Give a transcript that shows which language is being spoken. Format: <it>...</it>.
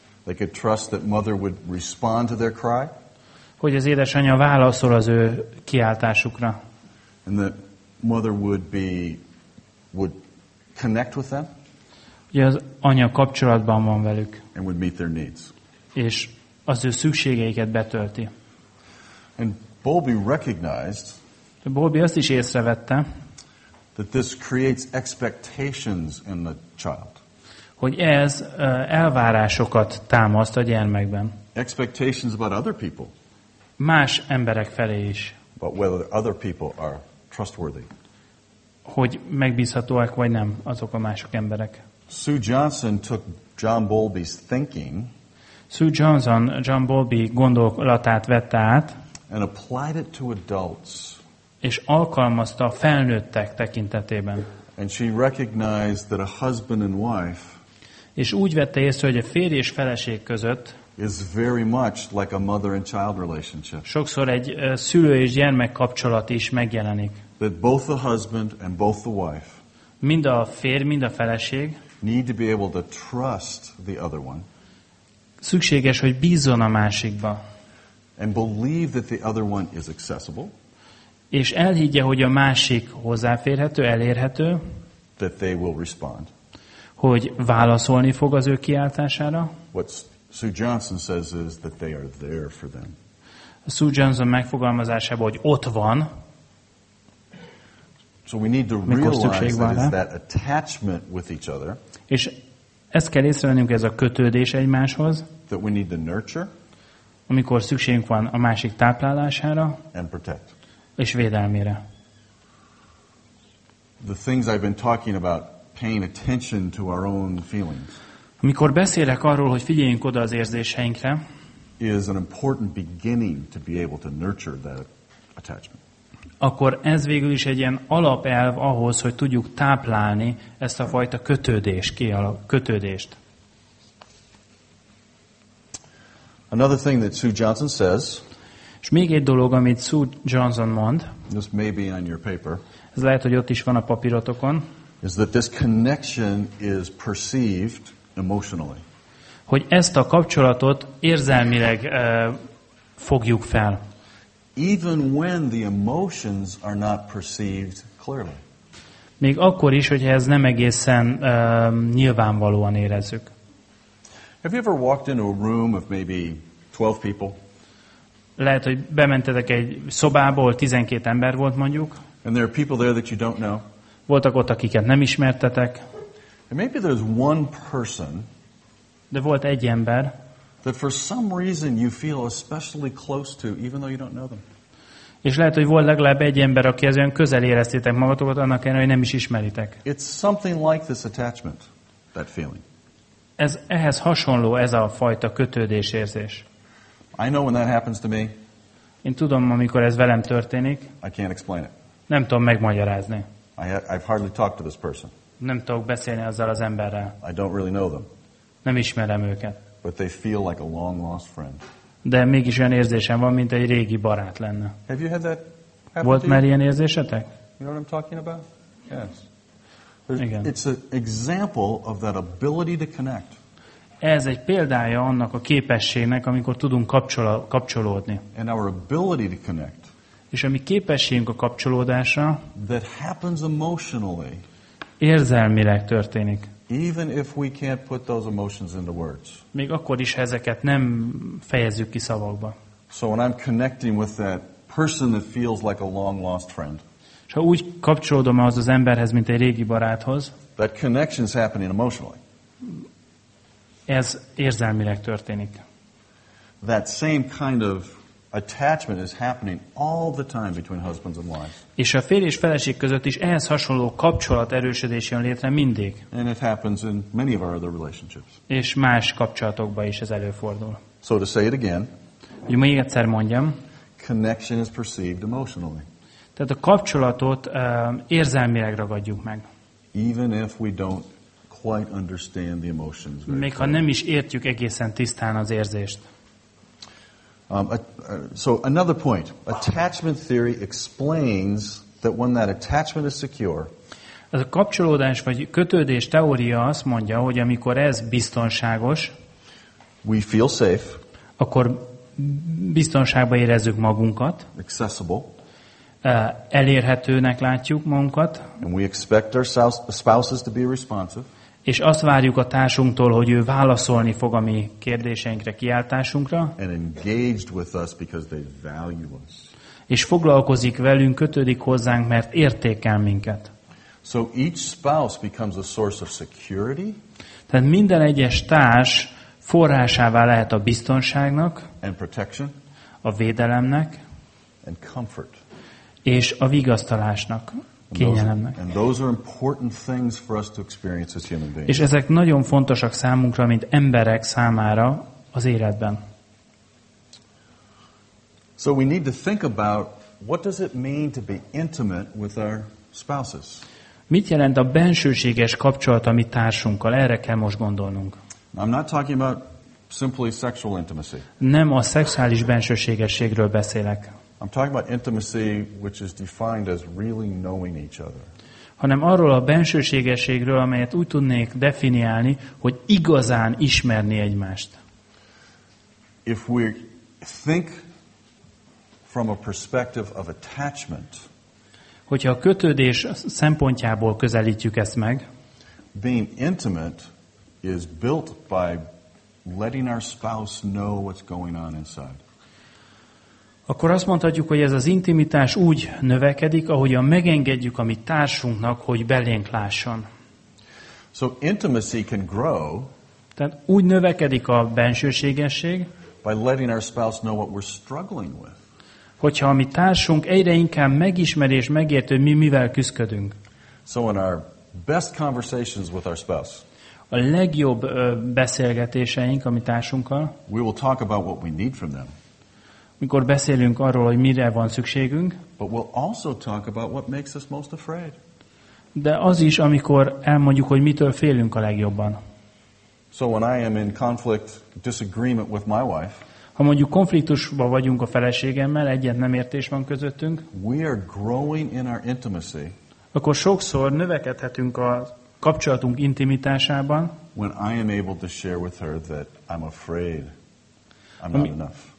<en>They could trust that mother would respond to their cry,</en> <hu>hogy az édesanyja válaszol az ő kiáltásukra.</hu> <en>And the mother would connect with them.</en> <hu>Ugye az anya kapcsolatban van velük.</hu> <en>And would meet their needs.</en> <hu>És az ő szükségeiket betölti.</hu> <en>And Bowlby recognized.</en> <hu>Bowlby azt is észrevette.</hu> <en>That this creates expectations in the child.</en> <hu>Hogy ez elvárásokat támaszt a gyermekben.</hu> <en>Expectations about other people.</en> <hu>Más emberek felé is.</hu> <en>But whether other people are trustworthy.</en> <hu>Hogy megbízhatóak vagy nem azok a mások emberek.</hu> <en>Sue Johnson took John Bowlby's thinking.</en> <hu>Sue Johnson John Bowlby gondolatát vette át.</hu> <en>And applied it to adults.</en> <hu>És alkalmazta a felnőttek tekintetében.</hu> <en>And she recognized that a husband and wife.</en> <hu>És úgy vette észre, hogy a férj és feleség között</hu> <en>is very much like a mother and child relationship.</en> <hu>Sokszor egy szülő és gyermek kapcsolat is megjelenik.</hu> <en>That both the husband and both the wife.</en> <hu>Mind a férj, mind a feleség.</hu> <en>Need to be able to trust the other one.</en> <hu>Szükséges, hogy bízzon a másikba.</hu> <en>And believe that the other one is accessible.</en> <hu>És elhiggye, hogy a másik hozzáférhető, elérhető.</hu> <en>That they will respond.</en> <hu>Hogy válaszolni fog az ő kiáltására.</hu> <en>What's Sue Johnson says is that they are there for them.</en> <hu>Sue Johnson megfogalmazásában, hogy ott van.</hu> <en>So we need to realize that is that attachment with each other.</en> <hu>És ezt kell észrevennünk, ez a kötődés egymáshoz.</hu> <en>That we need to nurture.</en> <hu>Amikor szükségünk van a másik táplálására.</hu> <en>And protect.</en> <hu>És védelmére.</hu> <en>The things I've been talking about, paying attention to our own feelings.</en> <hu>Mikor beszélek arról, hogy figyeljünk oda az érzéseinkre,</hu> <en>is an important beginning to be able to nurture that attachment.</en> <hu>Akkor ez végül is egy ilyen alapelv ahhoz, hogy tudjuk táplálni ezt a fajta kötődést.</hu> <en>Another thing that Sue Johnson says,</en> <hu>és még egy dolog, amit Sue Johnson mond,</hu> <en>this may be on your paper,</en> <hu>ez lehet, hogy ott is van a papírotokon,</hu> <en>is that this connection is perceived emotionally.</en> <hu>Hogy ezt a kapcsolatot érzelmileg fogjuk fel.</hu> <en>Even when the emotions are not perceived clearly.</en> <hu>Még akkor is, hogyha ez nem egészen nyilvánvalóan érezzük.</hu> <en>Have you ever walked into a room of maybe 12 people?</en> <hu>Lehet, hogy bementetek egy szobába, ahol 12 ember volt mondjuk.</hu> <en>And there are people there that you don't know.</en> <hu>Voltak ott, akiket nem ismertetek.</hu> <en>Maybe there's one person.</en> <hu>De volt egy ember.</hu> <en>That for some reason you feel especially close to, even though you don't know them.</en> <hu>És lehet, hogy volt legalább egy ember, aki az olyan közel éreztétek magatokat, annak ellenére, hogy nem is ismeritek.</hu> <en>It's something like this attachment, that feeling.</en> <hu>Ez ehhez hasonló, ez a fajta kötődés érzés.</hu> <en>I know when that happens to me.</en> <hu>Én tudom, amikor ez velem történik.</hu> <en>I can't explain it.</en> <hu>Nem tudom megmagyarázni.</hu> <en>I've hardly talked to this person.</en> <hu>Nem tudok beszélni azzal az emberrel.</hu> <en>I don't really know them.</en> <hu>Nem ismerem őket.</hu> <en>But they feel like a long lost friend.</en> <hu>de mégis olyan érzésem van, mint egy régi barát lenne.</hu> <en>Have you had that happen?</en> <hu>Volt már ilyen érzésetek?</hu> <en>You know what I'm talking about? Yes.</en> <hu>Igen.</hu> <en>It's an example of that ability to connect.</en> <hu>Ez egy példája annak a képességnek, amikor tudunk kapcsolódni.</hu> <en>And our ability to connect.</en> <hu>És a mi képességünk a kapcsolódásra.</hu> <en>That happens emotionally.</en> <hu>Érzelmileg történik.</hu> <en>Even if we can't put those emotions into words.</en> <hu>Még akkor is, ezeket nem fejezzük ki szavakba.</hu> <en>So when I'm connecting with that person that feels like a long lost friend.</en> <hu>És ha úgy kapcsolódom az az emberhez, mint egy régi baráthoz.</hu> <en>That connection is happening emotionally.</en> <hu>Ez érzelmileg történik.</hu> <en>That same kind of attachment is happening all the time between husbands and wives.</en> <hu>És a férj és feleség között is ehhez hasonló kapcsolat erősödés jön létre mindig.</hu> <en>And it happens in many of our other relationships.</en> <hu>És más kapcsolatokban is ez előfordul.</hu> <en>So to say it again.</en> <hu>Hogy még egyszer mondjam.</hu> <en>Connection is perceived emotionally.</en> <hu>Tehát a kapcsolatot érzelmileg ragadjuk meg.</hu> <en>Even if we don't quite understand the emotions.</en> <hu>Még ha nem is értjük egészen tisztán az érzést.</hu> <en>So another point, attachment theory explains that when that attachment is secure.</en> <hu>Ez a kapcsolódás vagy kötődés teória azt mondja, hogy amikor ez biztonságos,</hu> <en>we feel safe.</en> <hu>Akkor biztonságban érezzük magunkat.</hu> <en>Accessible.</en> <hu>Elérhetőnek látjuk magunkat.</hu> <en>And we expect our spouses to be responsive.</en> <hu>És azt várjuk a társunktól, hogy ő válaszolni fog a mi kérdéseinkre, kiáltásunkra.</hu> <en>And engaged with us because they value us.</en> <hu>És foglalkozik velünk, kötődik hozzánk, mert értékel minket.</hu> <en>So each spouse becomes a source of security.</en> <hu>Tehát minden egyes társ forrásává lehet a biztonságnak.</hu> <en>And protection.</en> <hu>A védelemnek.</hu> <en>And comfort.</en> <hu>És a vigasztalásnak, kényelemnek.</hu> <en>And those are important things for us to experience as human beings.</en> <hu>És ezek nagyon fontosak számunkra, mint emberek számára az életben.</hu> <en>So we need to think about what does it mean to be intimate with our spouses.</en> <hu>Mit jelent a bensőséges kapcsolat a mi társunkkal? Erre kell most gondolnunk.</hu> <en>I'm not talking about simply sexual intimacy.</en> <hu>Nem a szexuális bensőségességről beszélek.</hu> <en>I'm talking about intimacy, which is defined as really knowing each other.</en> <hu>Hanem arról a bensőségességről, amelyet úgy tudnék definiálni, hogy igazán ismerni egymást.</hu> <en>If we think from a perspective of attachment,</en> <hu>hogyha a kötődés szempontjából közelítjük ezt meg,</hu> <en>being intimate is built by letting our spouse know what's going on inside.</en> <hu>Akkor azt mondhatjuk, hogy ez az intimitás úgy növekedik, ahogyan megengedjük a mi társunknak, hogy belénk lásson.</hu> <en>So intimacy can grow.</en> <hu>Tehát úgy növekedik a bensőségesség.</hu> <en>By letting our spouse know what we're struggling with.</en> <hu>Hogyha a mi társunk egyre inkább megismeri és megérti, hogy mi mivel küzdködünk.</hu> <en>So in our best conversations with our spouse.</en> <hu>A legjobb beszélgetéseink a mi társunkkal.</hu> <en>We will talk about what we need from them.</en> <hu>Mikor beszélünk arról, hogy mire van szükségünk.</hu> <en>But we'll also talk about what makes us most afraid.</en> <hu>De az is, amikor elmondjuk, hogy mitől félünk a legjobban.</hu> <en>So when I am in conflict, disagreement with my wife,</en> <hu>ha mondjuk konfliktusban vagyunk a feleségemmel, egyet nem értés van közöttünk,</hu> <en>we are growing in our intimacy,</en> <hu>akkor sokszor növekedhetünk a kapcsolatunk intimitásában,</hu> <en>when I am able to share with her that I'm afraid I'm not enough.</en>